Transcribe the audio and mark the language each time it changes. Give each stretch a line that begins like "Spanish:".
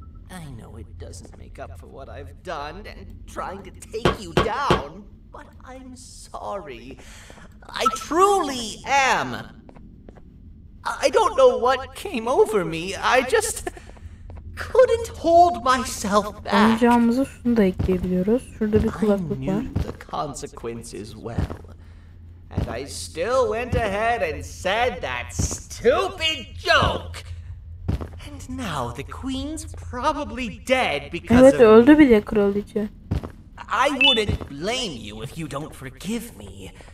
English: I know it doesn't make up for what I've done and trying to take you down, but I'm sorry. I truly am. I don't know what came over me. I just couldn't hold myself back.
Turkish: Oyuncağımızı şunu da ekleyebiliyoruz. Şurada bir kulaklık var.
English: I knew the consequences well. And I still went ahead and said that stupid joke. And now the queen's probably dead because
Turkish: evet,
English: of
Turkish: öldü bile kraliçe.
English: I wouldn't blame you if you don't forgive me.